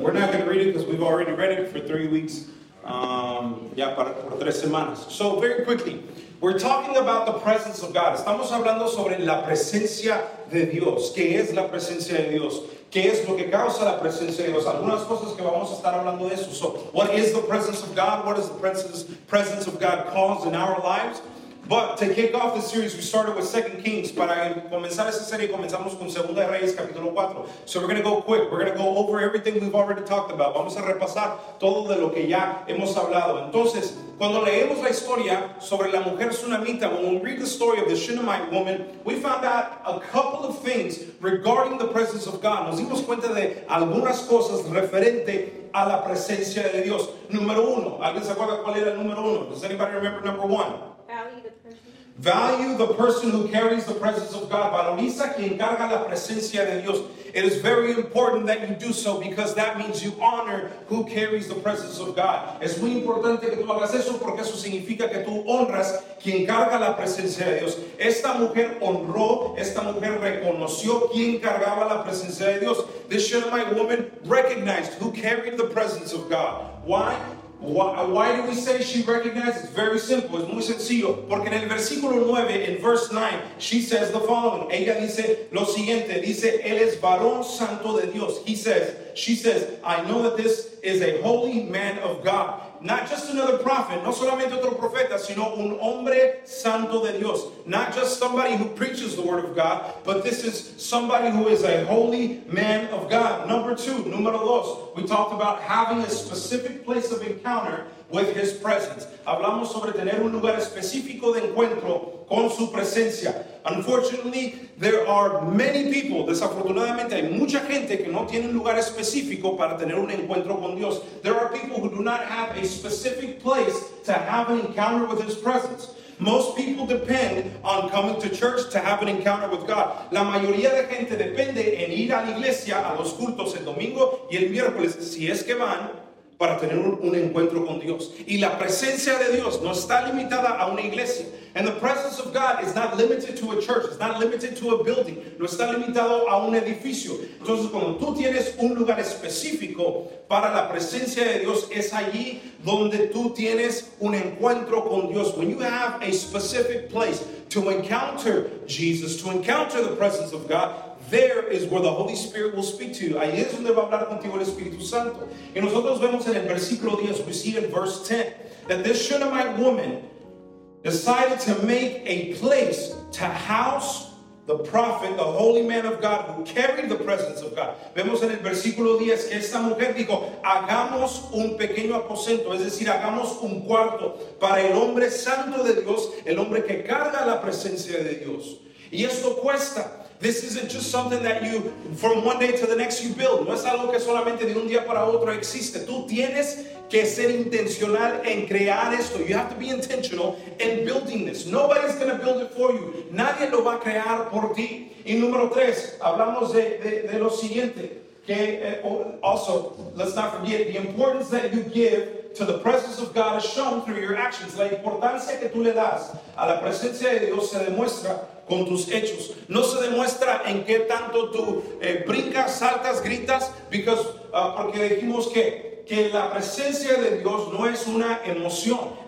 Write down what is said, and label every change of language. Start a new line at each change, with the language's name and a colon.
English: We're not going to read it because we've already read it for 3 weeks.
Spanish: Para tres semanas.
English: So very quickly, we're talking about the presence of God.
Spanish: Estamos hablando sobre la presencia de Dios. ¿Qué es la presencia de Dios? ¿Qué es lo que causa la presencia de Dios? Algunas cosas que vamos a estar hablando de eso.
English: So what is the presence of God? What is the presence of God cause in our lives? But to kick off the series, we started with 2 Kings.
Spanish: Para comenzar esta serie, comenzamos con Segunda Reyes, capítulo 4.
English: So we're going to go quick. We're going to go over everything we've already talked about.
Spanish: Vamos a repasar todo de lo que ya hemos hablado. Entonces, cuando leemos la historia sobre la mujer Tsunamita,
English: when we read the story of the Shunammite woman, we found out a couple of things regarding the presence of God.
Spanish: Nos dimos cuenta de algunas cosas referente a la presencia de Dios. Número uno. ¿Alguien se acuerda cuál era el número uno?
English: Does anybody remember number one? Value the person who carries the presence of God.
Spanish: Valoriza quien carga la presencia de Dios.
English: It is very important that you do so because that means you honor who carries the presence of God.
Spanish: Es muy importante que tú hagas eso porque eso significa que tú honras quien carga la presencia de Dios. Esta mujer honró, esta mujer reconoció quien cargaba la presencia de Dios.
English: This Shunammite woman recognized who carried the presence of God. Why? Why do we say she recognized? It's very simple.
Spanish: Es muy sencillo. Porque en el versículo 9,
English: in verse 9, she says the following.
Spanish: Ella dice lo siguiente. Dice, él es varón santo de Dios.
English: He says, she says, I know that this is a holy man of God. Not just another prophet.
Spanish: No solamente otro profeta, sino un hombre santo de Dios.
English: Not just somebody who preaches the word of God, but this is somebody who is a holy man of God. Number two,
Spanish: número dos.
English: We talked about having a specific place of encounter with his presence.
Spanish: Hablamos sobre tener un lugar específico de encuentro con su presencia.
English: Unfortunately, there are many people,
Spanish: desafortunadamente, hay mucha gente que no tiene un lugar específico para tener un encuentro con Dios.
English: There are people who do not have a specific place to have an encounter with his presence. Most people depend on coming to church to have an encounter with God.
Spanish: La mayoría de gente depende en ir a la iglesia, a los cultos el domingo y el miércoles, si es que van, para tener un encuentro con Dios. Y la presencia de Dios no está limitada a una iglesia.
English: And the presence of God is not limited to a church. It's not limited to a building.
Spanish: No está limitado a un edificio. Entonces, cuando tú tienes un lugar específico para la presencia de Dios, es allí donde tú tienes un encuentro con Dios.
English: When you have a specific place to encounter Jesus, to encounter the presence of God, there is where the Holy Spirit will speak to you.
Spanish: Ahí es donde va a hablar contigo el Espíritu Santo. Y nosotros vemos en el versículo 10,
English: we see in verse 10, that this Shunammite woman decided to make a place to house the prophet, the holy man of God, who carried the presence of God.
Spanish: Vemos en el versículo 10 que esta mujer dijo, hagamos un pequeño aposento, es decir, hagamos un cuarto para el hombre santo de Dios, el hombre que carga la presencia de Dios. Y esto cuesta.
English: This isn't just something that you, from one day to the next, you build.
Spanish: No es algo que solamente de un día para otro existe. Tú tienes que ser intencional en crear esto.
English: You have to be intentional in building this. Nobody's going to build it for you.
Spanish: Nadie lo va a crear por ti. Y número tres, hablamos de lo siguiente.
English: Que, also, let's not forget, the importance that you give to the presence of God is shown through your actions.
Spanish: La importancia que tú le das a la presencia de Dios se demuestra con tus hechos. No se demuestra en qué tanto tú brincas, saltas, gritas, porque dijimos que la presencia de Dios no es una emoción.